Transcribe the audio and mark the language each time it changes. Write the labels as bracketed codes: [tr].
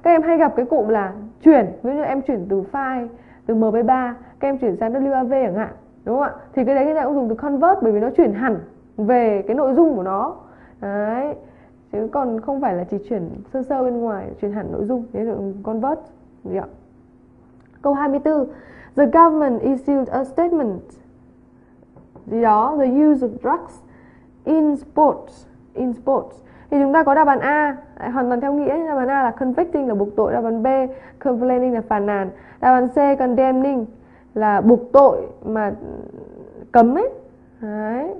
[vi] Các em hay gặp cái cụm là chuyển, ví dụ như em chuyển từ file từ MP3 các em chuyển sang WAV chẳng hạn, đúng không ạ? Thì cái đấy người ta cũng dùng từ convert bởi vì nó chuyển hẳn về cái nội dung của nó đấy, chứ còn không phải là chỉ chuyển sơ sơ bên ngoài, chuyển hẳn nội dung, thế là convert, đúng không ạ? Câu 24. [en] The government issued a statement [vi] gì đó, [en] the use of drugs in sports. [vi] Thì chúng ta có đáp án A hoàn toàn theo nghĩa, đáp án A là convicting là buộc tội, đáp án B complaining là phàn nàn, đáp án C condemning là buộc tội mà cấm ấy. Đấy.